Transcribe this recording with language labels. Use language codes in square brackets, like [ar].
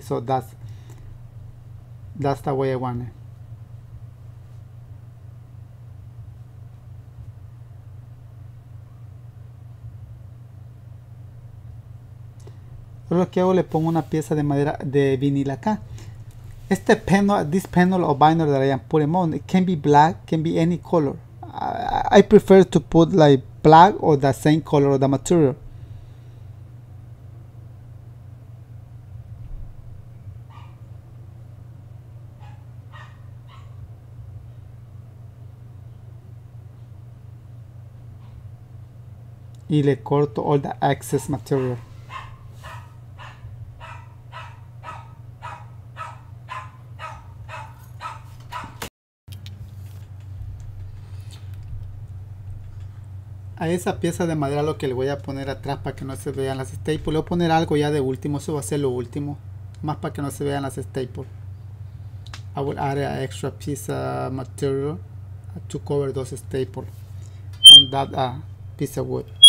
[en] So that's the way I want it. [es] Lo que hago, le pongo una pieza de madera de vinil acá. Este panel, [en] this panel or vinyl that I am putting on, it can be black, can be any color. I prefer to put like black or the same color of the material. [es] Y le corto [en] all the excess material. [es] A esa pieza de madera lo que le voy a poner atrás para que no se vean las staples. Le voy a poner algo ya de último, eso va a ser lo último. Más para que no se vean las staples. [en] I will add an extra piece of material to cover those staples on that piece of wood.